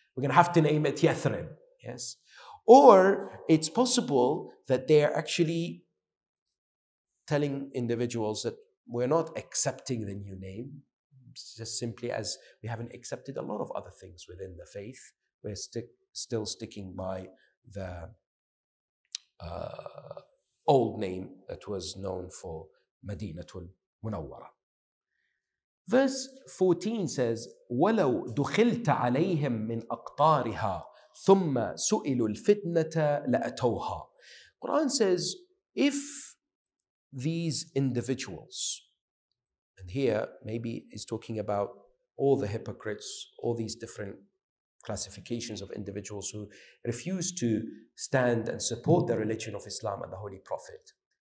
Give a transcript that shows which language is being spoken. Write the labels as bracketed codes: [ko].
[en] We're going to have to name it Yathrib, yes? Or it's possible that they're actually telling individuals that we're not accepting the new name, just simply as we haven't accepted a lot of other things within the faith. We're still sticking by the old name that was known for Madinatul Munawwara. Verse 14 says, [ar] وَلَوْ دُخِلْتَ عَلَيْهِمْ مِنْ أَقْطَارِهَا ثُمَّ سُئِلُوا الْفِتْنَةَ لَأَتَوْهَا. [en] Quran says, if these individuals, and here maybe he's talking about all the hypocrites, all these different classifications of individuals who refuse to stand and support the religion of Islam and the Holy Prophet.